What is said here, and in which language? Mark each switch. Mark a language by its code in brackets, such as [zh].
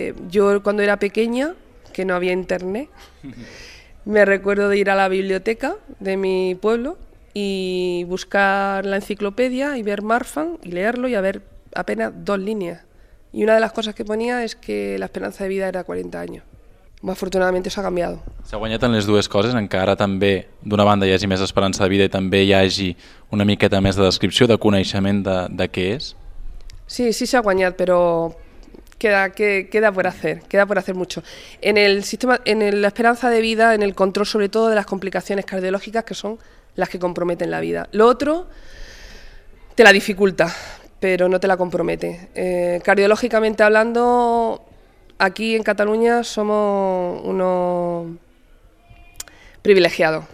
[es] Yo cuando era pequeña, que no había internet, me recuerdo de ir a la biblioteca de mi pueblo y buscar la enciclopedia y ver Marfan y leerlo y a ver apenas dos líneas. Y una de las cosas que ponía es que la esperanza de vida era 40 años. [ca] Afortunadament s'ha canviat. S'ha guanyat en les dues coses, encara també d'una banda hi hagi més esperança de vida i també hi hagi una miqueta més de descripció, de coneixement de què és? [es] Sí, sí [ca] s'ha guanyat, [es] però queda por hacer mucho. En el sistema, en la esperanza de vida, en el control sobre todo de las complicaciones cardiológicas que son las que comprometen la vida. Lo otro te la dificulta, pero no te la compromete. Cardiológicamente hablando, aquí en Cataluña somos unos privilegiados.